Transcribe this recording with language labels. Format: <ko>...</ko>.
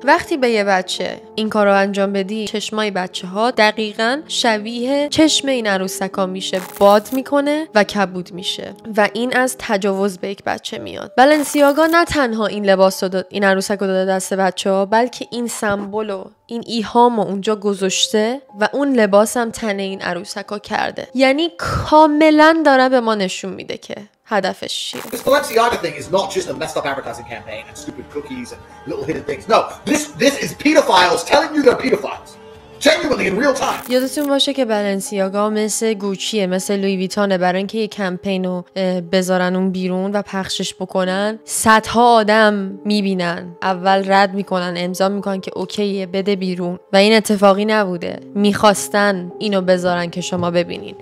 <fa>وقتی به یه بچه این کار رو انجام بدی، چشمای بچه ها دقیقا شبیه چشم این عروسک ها میشه، باد میکنه و کبود میشه و این از تجاوز به یک بچه میاد. بالنسیاگا نه تنها این لباس رو داد، این عروسک رو داده دست بچه ها، بلکه این سمبول و این ایهام رو اونجا گذاشته و اون لباس هم تن این عروسک ها کرده. یعنی کاملا داره به ما نشون میده که هدفش چیه.</fa> <en>This Balenciaga thing is not just a messed up advertising campaign and stupid cookies and little hidden things. No, this is pedophiles telling you they're pedophiles. Genuinely in real time.</en> <fa>یادتون باشه که بالنسیاگا مثل گوچیه، مثل لوی ویتانه، برای اینکه یه کمپین رو بذارن اون بیرون و پخشش بکنن، صدها آدم میبینن، اول رد میکنن، امضا میکنن که اوکیه بده بیرون و این اتفاقی نبوده، میخواستن اینو بذارن که شما ببینین.</fa>